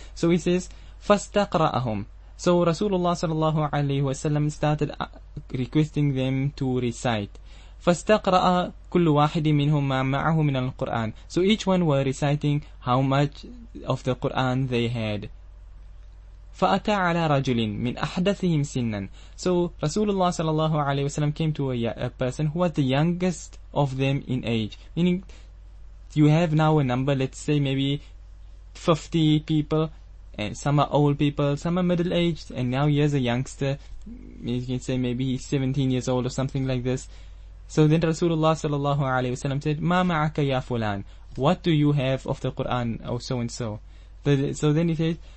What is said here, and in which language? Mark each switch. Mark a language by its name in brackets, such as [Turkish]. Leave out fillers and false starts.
[English] So he says, فَاسْتَقْرَأَهُمْ. So Rasulullah sallallahu alayhi wa sallam started requesting them to recite. [Arabic] فَاسْتَقْرَأَ كُلُّ وَاحِدٍ مِّنْهُمْ مَا مَعَهُ مِنَ الْقُرْآنِ. [English] So each one were reciting how much of the Qur'an they had. [Arabic] فأتى على رجل من أحدثهم سنا. [English] So Rasulullah sallallahu alayhi wa sallam came to a person who was the youngest of them in age. Meaning, you have now a number, let's say maybe 50 people, and some are old people, some are middle aged, and now he is a youngster. You can say maybe he's 17 years old or something like this. So then Rasulullah sallallahu alayhi wa sallam said, [Arabic] ما معك يا فلان? [English] What do you have of the Quran, or so and so? So then he said,